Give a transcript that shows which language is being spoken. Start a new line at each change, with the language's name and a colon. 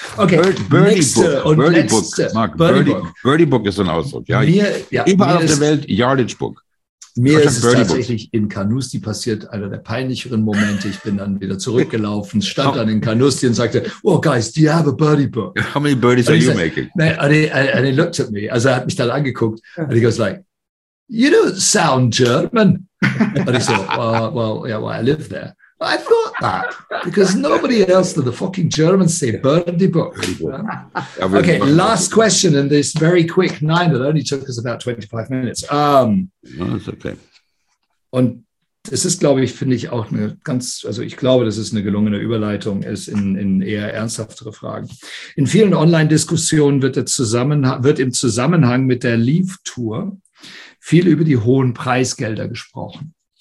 German: Okay, Birdie Book ist ein Ausdruck. Ja, überall auf der Welt Yardage Book. Mir ist es tatsächlich in Canusti passiert, einer der peinlicheren Momente. Ich bin dann wieder zurückgelaufen, stand dann in Canusti und sagte,
English: oh, guys, do you have a birdie book? How many birdies are you making? And he looked at me.
German: Also er hat mich dann angeguckt
English: and he goes like, you don't sound German. And he said, well, I live there. I've got that, because nobody else than the fucking Germans say birdie book. Okay, last question in this very quick nine that only took us about 25 minutes. That's okay.
German: Und es ist, glaube ich, finde ich auch eine ganz, also ich glaube, dass es eine gelungene Überleitung ist in eher ernsthaftere Fragen. In vielen Online-Diskussionen wird im Zusammenhang mit der Leave-Tour viel über die hohen Preisgelder gesprochen.